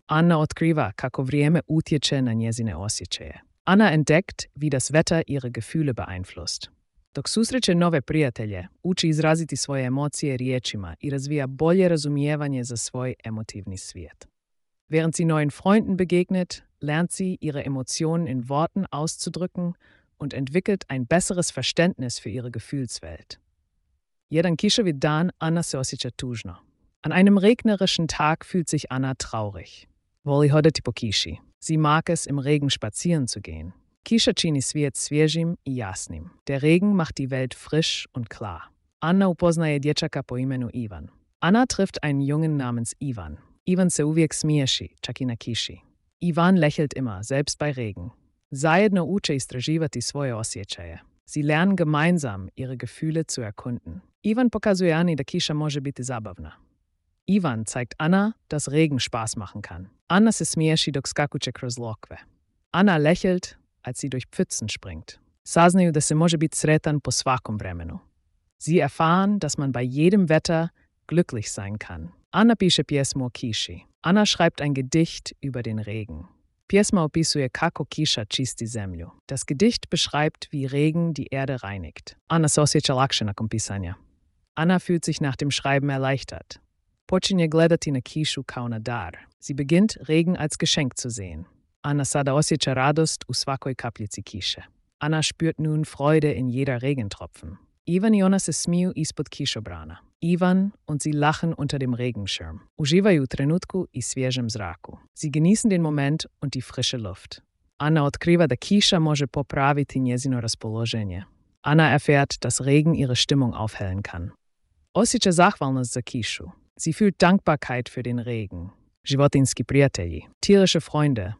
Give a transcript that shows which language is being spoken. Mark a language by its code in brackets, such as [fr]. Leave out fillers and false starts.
[hr] Anna otkriva kako vrijeme utječe na njezine osjećaje. [de] Anna entdeckt, wie das Wetter ihre Gefühle beeinflusst. [hr] Dok susreće nove prijatelje, uči izraziti svoje emocije riječima i razvija bolje razumijevanje za svoj emotivni svijet. [de] Während sie neuen Freunden begegnet, lernt sie, ihre Emotionen in Worten auszudrücken und entwickelt ein besseres Verständnis für ihre Gefühlswelt. [hr] Jedan kiševi dan Anna se osjeća tužno. [de] An einem regnerischen Tag fühlt sich Anna traurig. [hr] Voli hodati po kiši. [de] Sie mag es, im Regen spazieren zu gehen. [hr] Kiša čini svijet svježim i jasnim. [de] Der Regen macht die Welt frisch und klar. [hr] Anna upoznaje dječaka po imenu Ivan. [de] Anna trifft einen Jungen namens Ivan. [hr] Ivan se uvijek smiješi, čak i na kiši. [de] Ivan lächelt immer, selbst bei Regen. [hr] Zajedno uče istraživati svoje osjećaje. [de] Sie lernen gemeinsam, ihre Gefühle zu erkunden. [hr] Ivan pokazuje Anni, da kiša može biti zabavna. [de] Ivan zeigt Anna, dass Regen Spaß machen kann. [hr] Anna se smiješi dok skakuće kroz lokve. [de] Anna lächelt, als sie durch Pfützen springt. [hr] Saznaju da se može biti sretan po svakom vremenu. [de] Sie erfahren, dass man bei jedem Wetter glücklich sein kann. [hr] Anna piše pjesmu o kiši. [de] Anna schreibt ein Gedicht über den Regen. [hr] Pjesma opisuje kako kiša čisti zemlju. [de] Das Gedicht beschreibt, wie Regen die Erde reinigt. [hr] Anna se osjeća lakše nakon pisanja. [de] Anna fühlt sich nach dem Schreiben erleichtert. [hr] Počinje gledati na kišu kao na dar. [de] Sie beginnt, Regen als Geschenk zu sehen. [hr] Anna sada osjeća radost u svakoj kapljici kiše. [de] Anna spürt nun Freude in jeder Regentropfen. [hr] Ivan i Ona se smiju ispod kišobrana. [de] Ivan und sie lachen unter dem Regenschirm. [hr] Uživaju trenutku i svježem zraku. [de] Sie genießen den Moment und die frische Luft. [hr] Anna otkriva da kiša može popraviti njezino raspoloženje. [de] Anna erfährt, dass Regen ihre Stimmung aufhellen kann. [hr] Osjeća zahvalnost za kišu. [de] Sie fühlt Dankbarkeit für den Regen. [hr] Životinski prijatelji. [de] Tierische Freunde.